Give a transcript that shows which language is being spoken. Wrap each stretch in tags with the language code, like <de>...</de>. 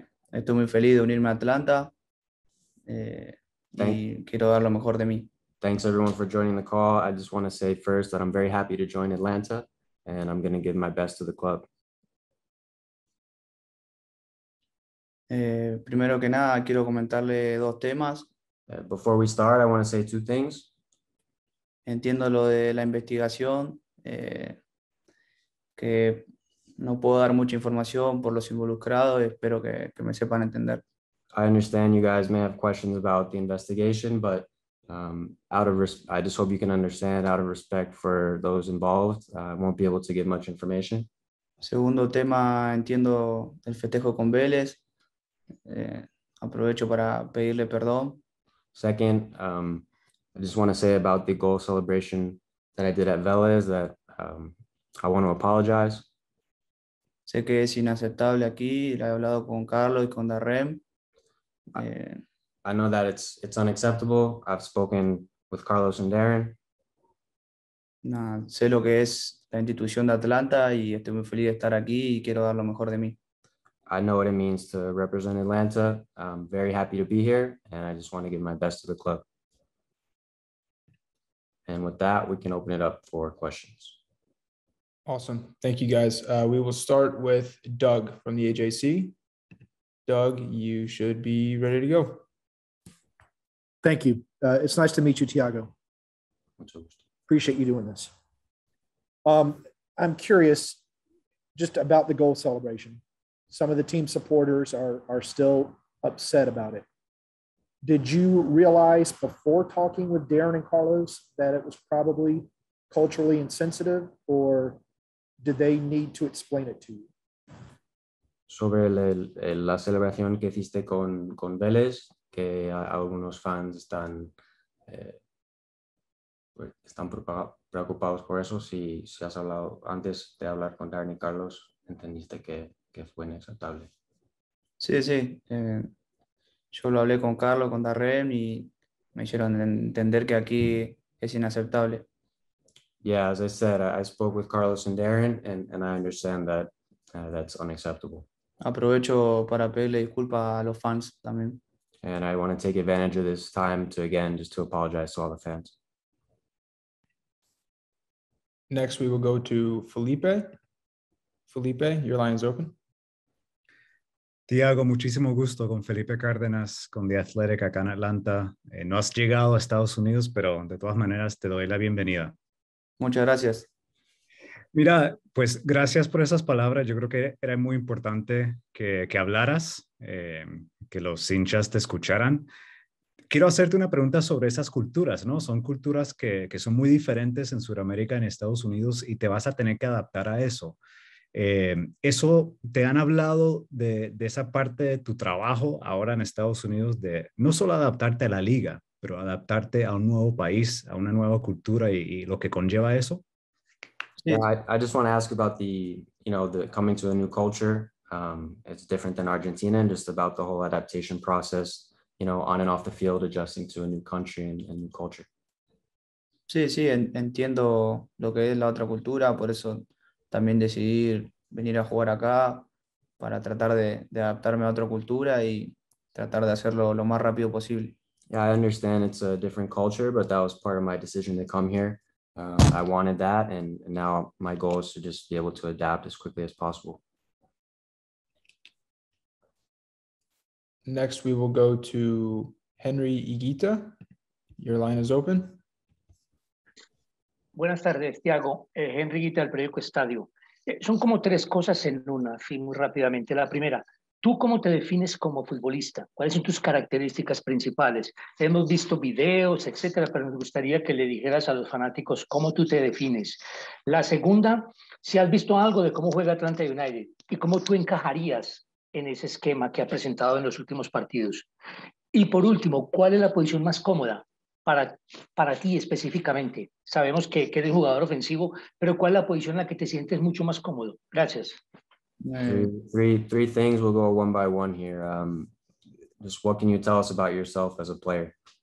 <es>Estoy muy feliz de unirme a Atlanta y quiero dar lo mejor de mí.</es> <en>Thanks everyone for joining the call. I just want to say first that I'm very happy to join Atlanta and I'm going to give my best to the club.</en> <es>Primero que nada, quiero comentarle dos temas.</es> <en>Before we start, I want to say two things.</en> <es>Entiendo lo de la investigación, que no puedo dar mucha información por los involucrados, espero que me sepan entender.</es> <en>I understand you guys may have questions about the investigation, but I just hope you can understand out of respect for those involved. I won't be able to give much information.</en> <es>Segundo tema, entiendo el festejo con Vélez, aprovecho para pedirle perdón.</es> <en>Second, I just want to say about the goal celebration that I did at Vélez that I want to apologize.</en> <es>Sé que es inaceptable aquí, he hablado con Carlos y con Darrem.</es> <en>I know that it's unacceptable. I've spoken with Carlos and Darren.</en> <es>Nada, sé lo que es la institución de Atlanta y estoy muy feliz de estar aquí y quiero dar lo mejor de mí.</es> <en>I know what it means to represent Atlanta. I'm very happy to be here, and I just want to give my best to the club. And with that, we can open it up for questions. Awesome. Thank you, guys. We will start with Doug from the AJC. Doug, you should be ready to go. Thank you. It's nice to meet you, Thiago. Appreciate you doing this. I'm curious just about the goal celebration. Some of the team supporters are still upset about it. Did you realize before talking with Darren and Carlos that it was probably culturally insensitive, or did they need to explain it to you?</en> <es>Sobre la celebración que hiciste con Vélez, que algunos fans están pues están preocupados por eso. Si has hablado antes de hablar con Darren y Carlos, entendiste que fue inaceptable. Sí. Yo lo hablé con Carlos, con Darren y me hicieron entender que aquí es inaceptable.</es> <en>Yeah, as I said, I spoke with Carlos and Darren, and I understand that that's unacceptable.</en> <es>Aprovecho para pedirle disculpas a los fans también.</es> <en>And I want to take advantage of this time to again just to apologize to all the fans. Next, we will go to Felipe. Felipe, your line is open.</en> <es>Thiago, muchísimo gusto con Felipe Cárdenas, con The Athletic acá en Atlanta. No has llegado a Estados Unidos, pero de todas maneras te doy la bienvenida. Muchas gracias. Mira, pues gracias por esas palabras. Yo creo que era muy importante que hablaras, que los hinchas te escucharan. Quiero hacerte una pregunta sobre esas culturas, ¿no? Son culturas que son muy diferentes en Sudamérica, en Estados Unidos, y te vas a tener que adaptar a eso. ¿Eso te han hablado de esa parte de tu trabajo ahora en Estados Unidos, de no solo adaptarte a la liga, pero adaptarte a un nuevo país, a una nueva cultura y lo que conlleva eso?</es> <en>Yeah, I just want to ask about the coming to a new culture. It's different than Argentina, and just about the whole adaptation process, on and off the field, adjusting to a new country and new culture.</en> <es>Sí, entiendo lo que es la otra cultura, por eso también decidí venir a jugar acá para tratar de adaptarme a otra cultura y tratar de hacerlo lo más rápido posible.</es> <en>Yeah, I understand it's a different culture, but that was part of my decision to come here. I wanted that, and now my goal is to just be able to adapt as quickly as possible. Next, we will go to Henry Higuita. Your line is open.</en> <es>Buenas tardes, Thiago. Henry Higuita, el periódico Estadio. Son como tres cosas en una, así muy rápidamente. La primera, ¿tú cómo te defines como futbolista? ¿Cuáles son tus características principales? Hemos visto videos, etcétera, pero me gustaría que le dijeras a los fanáticos cómo tú te defines. La segunda, si has visto algo de cómo juega Atlanta United y cómo tú encajarías en ese esquema que ha presentado en los últimos partidos. Y por último, ¿cuál es la posición más cómoda para ti específicamente? Sabemos que eres jugador ofensivo, pero ¿cuál es la posición en la que te sientes mucho más cómodo? Gracias.</es> <en>Three things. We'll go one by one here. Just what can you tell us about yourself as a player?</en>